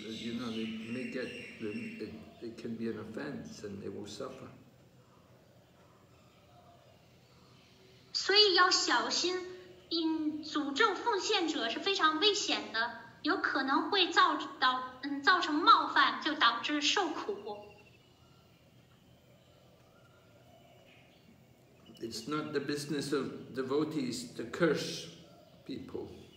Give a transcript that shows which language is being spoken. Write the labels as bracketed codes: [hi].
[en] You know, they may get them, it can be an offense and they will suffer. [zh] 所以要小心，因诅咒奉献者是非常危险的，有可能会造成冒犯，就导致受苦。 [en] It's not the business of devotees to curse people.